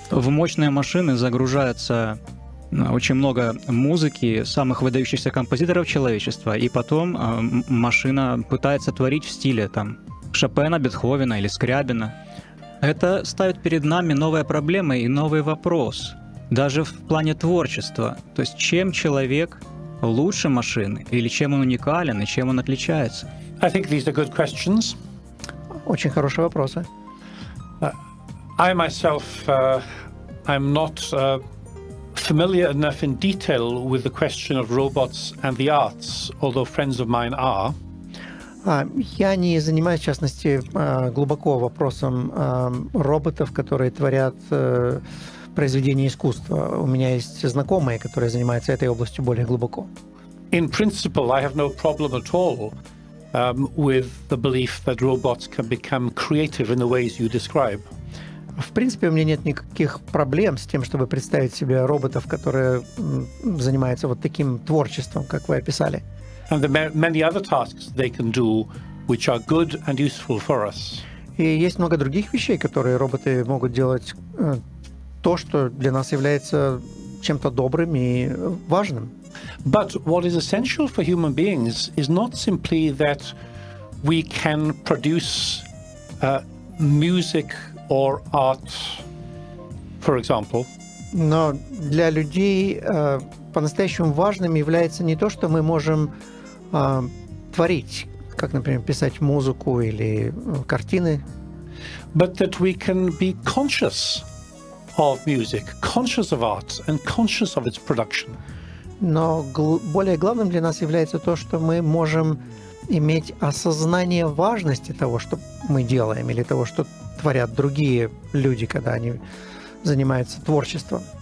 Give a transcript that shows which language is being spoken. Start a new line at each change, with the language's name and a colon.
Russian: В мощные машины загружаются очень много музыки самых выдающихся композиторов человечества, и потом машина пытается творить в стиле там Шопена, Бетховена или Скрябина. Это ставит перед нами новые проблемы и новый вопрос, даже в плане творчества. То есть чем человек лучше машины, или чем он уникален, и чем он отличается?
English: I think these are good questions.
Russian: Очень хорошие вопросы.
English: I myself, I'm not familiar enough in detail with the question of robots and the arts, although friends of mine are.
Russian: Я не занимаюсь, в частности, глубоко вопросом роботов, которые творят произведения искусства. У меня есть знакомые, которые занимаются этой областью более глубоко.
English: In principle, I have no problem at all with the belief that robots can become creative in the ways you describe.
Russian: В принципе, у меня нет никаких проблем с тем, чтобы представить себе роботов, которые занимаются вот таким творчеством, как вы описали.
English: And the many other tasks they can do, which are good and useful for us.
Russian: И есть много других вещей, которые роботы могут делать, то, что для нас является чем-то добрым и важным.
English: But what is essential for human beings is not simply that we can produce music or art, for example.
Russian: Но для людей по-настоящему важным является не то, что мы можем творить, как, например, писать музыку или картины.
English: But that we can be conscious of music, conscious of art, and conscious of its production.
Russian: Но более главным для нас является то, что мы можем иметь осознание важности того, что мы делаем, или того, что творят другие люди, когда они занимаются творчеством.